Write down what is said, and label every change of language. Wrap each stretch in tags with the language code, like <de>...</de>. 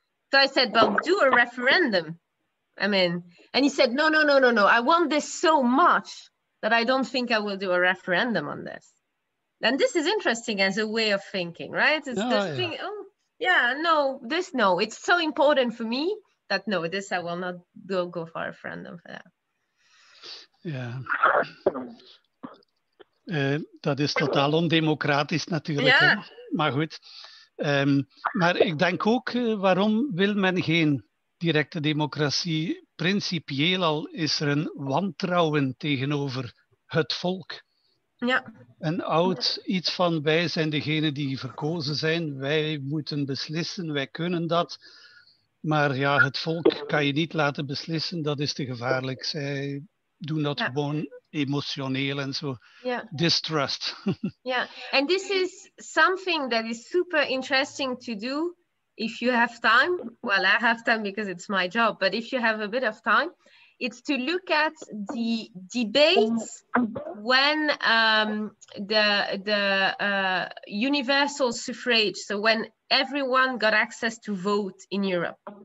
<en>So I said, but do a referendum. I mean, and he said, no, I want this so much that I don't think I will do a referendum on this. And this is interesting as a way of thinking, right? It's so important for me that no, this I will not go for a referendum for that. Yeah.</en> <nl>Dat is totaal ondemocratisch natuurlijk. Yeah. Maar goed. Maar ik denk ook, waarom wil men geen directe democratie? Principieel al is er een wantrouwen tegenover het volk. Ja. Een oud iets van wij zijn degene die verkozen zijn, wij moeten beslissen, wij kunnen dat. Maar ja, het volk kan je niet laten beslissen, dat is te gevaarlijk. Zij doen dat gewoon emotioneel en zo. Ja.</nl> <en>Distrust. Ja, and this is something that is super interesting to do if you have time. Well, I have time because it's my job, but if you have a bit of time. It's to look at the debates when the universal suffrage, so when everyone got access to vote in Europe.</en>